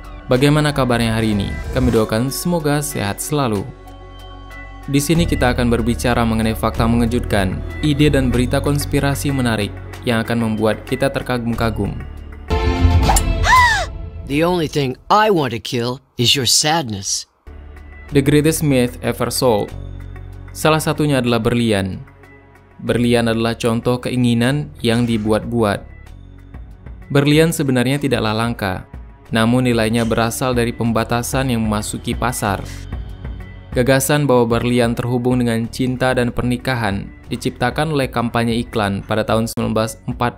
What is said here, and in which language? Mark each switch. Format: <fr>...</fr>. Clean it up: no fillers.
<id>Bagaimana kabarnya hari ini? Kami doakan semoga sehat selalu. Di sini kita akan berbicara mengenai fakta mengejutkan, ide dan berita konspirasi menarik yang akan membuat kita terkagum-kagum.</id> <en>The only thing I want to kill is your sadness. The greatest myth ever sold.</en> <id>Salah satunya adalah berlian. Berlian adalah contoh keinginan yang dibuat-buat. Berlian sebenarnya tidaklah langka, namun nilainya berasal dari pembatasan yang memasuki pasar. Gagasan bahwa berlian terhubung dengan cinta dan pernikahan diciptakan oleh kampanye iklan pada tahun 1947.</id>